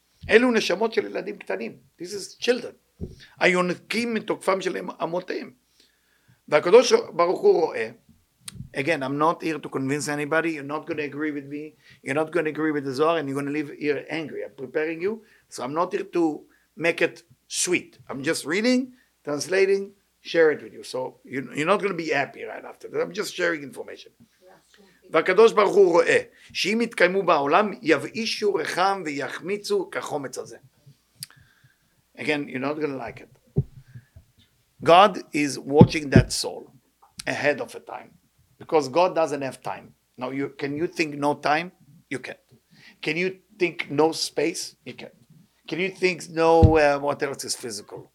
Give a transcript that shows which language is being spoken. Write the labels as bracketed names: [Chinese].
[Hebrew] אלו נשמות של ילדים קטנים. [English] This is children. [Hebrew] היונקים מתוקפם של אמותיהם. והקדוש ברוך הוא רואה, [English] again, I'm not here to convince anybody, you're not going to agree with me, you're not going to agree with the Zohar, and you're going to leave here angry. I'm preparing you, so I'm not here to make it sweet. I'm just reading, translating, share it with you. So you're not going to be happy right after that. I'm just sharing information. [Hebrew] והקדוש ברוך הוא רואה שאם יתקיימו בעולם יבאישו רחם ויחמיצו כחומץ הזה. [English] Again, you're not going to like it. God is watching that soul ahead of a time. Because God doesn't have time. Now, can you think no time? You can't. Can you think no space? You can't. Can you think no, what else is physical?